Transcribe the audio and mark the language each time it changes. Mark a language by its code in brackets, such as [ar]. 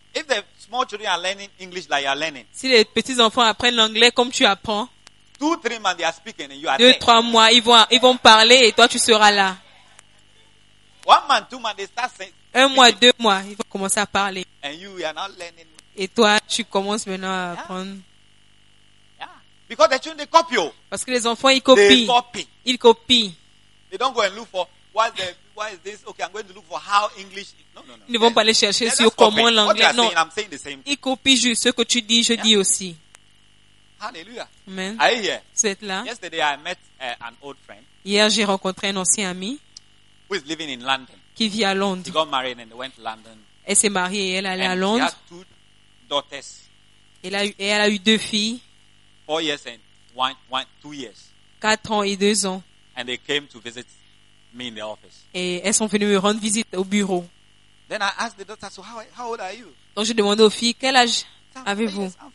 [en] If the small children are learning English like you are learning, [fr] si les petits enfants apprennent l'anglais comme tu apprends, [en] 2-3 months they are speaking and you are [fr] 2-3 mois, ils vont parler et toi tu seras là. [en] 1 month, 2 months, they start saying, [fr] 1 mois, 2 mois, ils vont commencer à parler. [en] And you are not learning. [fr] Et toi, tu commences maintenant à apprendre. [en] Yeah. Because the children, they copy. [fr] Parce que les enfants, ils copient. [en] They copy. [fr] Ils copient. [en] They don't go and look for why is this? Okay, I'm going to look for how English. No. [fr] Ils ne vont pas aller chercher sur comment l'anglais. Non. [en] Saying, I'm saying the same. [fr] Ils copient juste ce que tu dis, je dis aussi. [en] Hallelujah. Amen. Are you here? [fr] Vous êtes là. [en] Yesterday, I met an old friend. [fr] Hier, j'ai rencontré un ancien ami. [en] Who is living in London? [fr] Qui vit à Londres. [en] She got married and went to London. [fr] Elle s'est mariée et elle allait [en] and [fr] à Londres. [en] She had two daughters. [fr] Elle a eu deux filles. [en] 4 years and two years. [fr] 4 ans et 2 ans. [en] And they came to visit me in the office. [fr] Et elles sont venues me rendre visite au bureau. [en] Then I asked the daughter, so how old are you? [fr] Donc je demande aux filles quel âge avez-vous?